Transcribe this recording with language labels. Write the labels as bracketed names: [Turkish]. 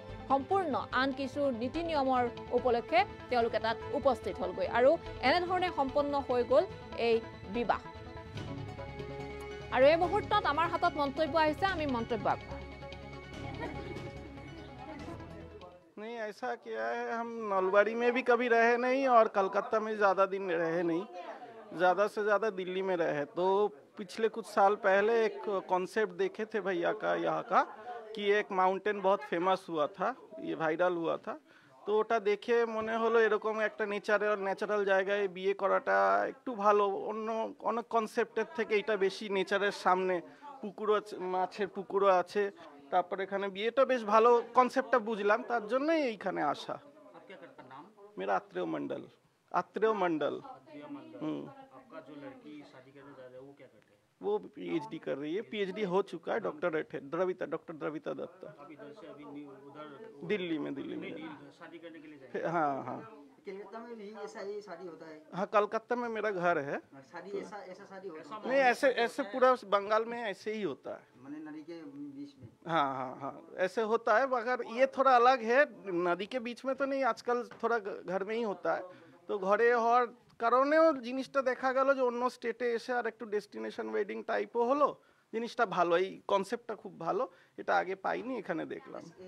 [Assamese] সম্পূৰ্ণ আন কিছু নীতি নিয়মৰ উপলক্ষে তেওঁলোকে তাত উপস্থিত হ'লগৈ আৰু এনেধৰণে সম্পন্ন হৈ গ'ল এই বিবাহ আৰু এই মুহূৰ্তত আমাৰ হাতত মন্তব্য আহিছে আমি মন্তব্য আগবঢ়াম [Hindi] नहीं ऐसा किया है हम नलबाड़ी में भी कभी रहे नहीं और कलकत्ता में ज़्यादा दिन रहे नहीं ज्यादा से ज्यादा दिल्ली में रहे। तो पिछले कुछ साल पहले एक कॉन्सेप्ट देखे थे भैया का यहाँ का, कि एक माउंटेन बहुत फेमस हुआ था, ये वायरल हुआ था। [Bangla] তো ওটা দেখে মনে হলো এরকম একটা ন্যাচারাল জায়গায় বিয়ে করাটা একটু ভালো, অন্য অনেক কনসেপ্টের থেকে এটা বেশি নেচারের সামনে, পুকুরও মাছের পুকুরও আছে, তারপর এখানে বিয়েটা বেশ ভালো কনসেপ্টটা বুঝলাম, তার জন্যই এইখানে আসা। [Hindi] মেরা আত্রেয় মন্ডল, আত্রেয় মন্ডল। वो पीएचडी कर रही है, पीएचडी हो चुका है, डॉक्टरेट है, द्रविता, डॉक्टर द्रविता दत्त। दिल्ली में शादी करने के लिए जाएं। हाँ कलकत्ता में भी ऐसा ही शादी होता है? हाँ, कलकत्ता में मेरा घर है। शादी ऐसा शादी होता है? नहीं, ऐसे पूरा बंगाल में ऐसे ही होता है, माने नदी के बीच में। हाँ, ऐसे होता है, मगर ये थोड़ा अलग है, नदी के बीच में तो नहीं, आजकल थोड़ा घर में ही होता है। तो घरे और [Bangla] কারণেও জিনিসটা দেখা গেল যে অন্য স্টেটে এসে আর একটু ডেস্টিনেশন ওয়েডিং টাইপও হলো, জিনিসটা ভালো, এই কনসেপ্টটা খুব ভালো, এটা আগে পাইনি, এখানে দেখলাম।